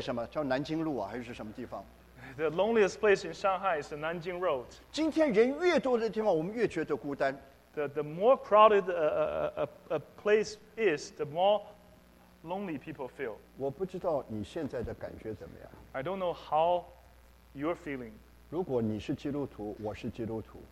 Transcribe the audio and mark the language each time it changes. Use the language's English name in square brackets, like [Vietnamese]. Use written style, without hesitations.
[Chinese] 在上海人家说最孤单的地方在什么叫南京路啊还是什么地方。 [English] The loneliest place in Shanghai is the Nanjing Road. [Chinese] 今天人越多的地方我们越觉得孤单。 [English] The more crowded a place is, the more lonely people feel. [Chinese] 我不知道你现在的感觉怎么样。 [English] I don't know how your feeling. [Chinese] 如果你是基督徒, 我是基督徒,